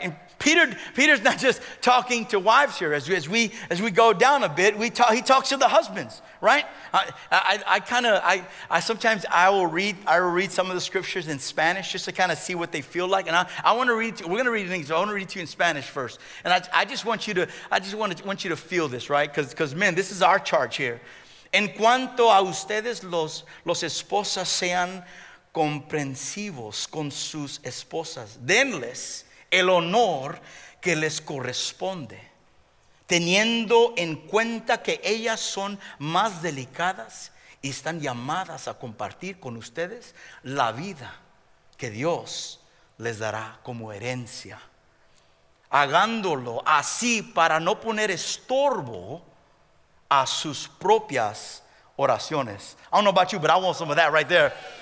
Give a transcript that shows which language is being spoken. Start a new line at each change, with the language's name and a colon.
English: And Peter's not just talking to wives here. As we go down a bit, he talks to the husbands, right? I will read some of the scriptures in Spanish just to kind of see what they feel like. And I want to read it in Spanish first. And I just want you to feel this, right? Because men, this is our charge here.
Spanish: En cuanto a ustedes, los esposas sean comprensivos con sus esposas. Denles el honor que les corresponde, teniendo en cuenta que ellas son más delicadas y están llamadas a compartir con ustedes la vida que Dios les dará como herencia. Hagándolo así para no poner estorbo a sus propias oraciones.
English: I don't know about you, but I want some of that right there.